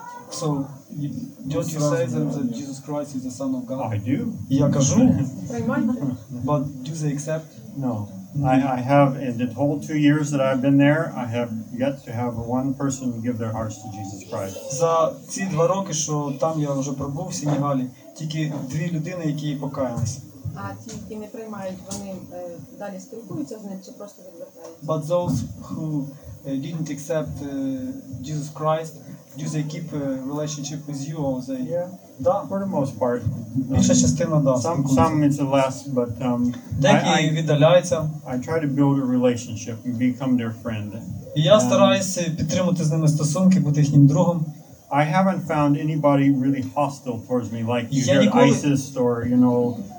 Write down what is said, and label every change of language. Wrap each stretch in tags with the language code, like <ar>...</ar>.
<en>So, don't you say them that Jesus Christ is the Son of God? I do.</en> <uk>Я кажу.</uk> <en>But do they accept? No. I have, in the whole 2 years that I've been there, I have yet to have one person give their hearts to Jesus Christ.</en> <uk>За ці 2 роки, що там я вже пробув, в Сенегалі, тільки 2 людини, які покаялись. А ті, які не приймають, вони далі спілкуються, чи просто відвертаються?</uk> <en>But those who didn't accept Jesus Christ, do they keep a relationship with you? Yeah, да. For the most part.</en> <uk>Більша частина, да.</uk> <en>Some it's less, but</en> <uk>деякі віддаляються.</uk> <en>I try to build a relationship and become their friend.</en> <uk>І я стараюся підтримувати з ними стосунки, бути їхнім другом.</uk> <en>I haven't found anybody really hostile towards me, like you hear ISIS or, you know,</en>